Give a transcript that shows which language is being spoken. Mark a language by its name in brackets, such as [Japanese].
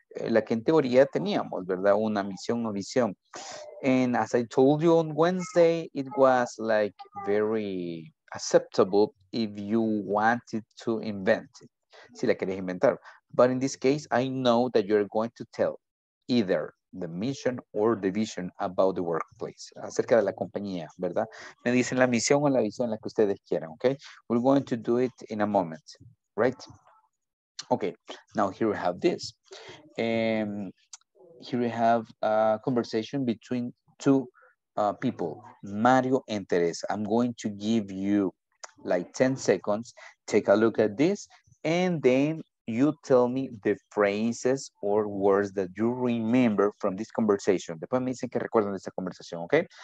[Spanish] La que en teoría teníamos, ¿verdad? Una misión o visión. [English] And as I told you on Wednesday, it was like very acceptable if you wanted to invent it. [Spanish] Si la querés inventar. [English] But in this case, I know that you're going to tell either the mission or the vision about the workplace. [Spanish] Acerca de la compañía, ¿verdad? Me dicen la misión o la visión la que ustedes quieran, okay? [English] We're going to do it in a moment, right? Okay, now here we have this. Here we have a conversation between two people, Mario and Teresa. I'm going to give you like 10 seconds. Take a look at this and then you tell me the phrases or words that you remember from this conversation. [Spanish] Después me dicen que recuerdan de esa conversación, okay?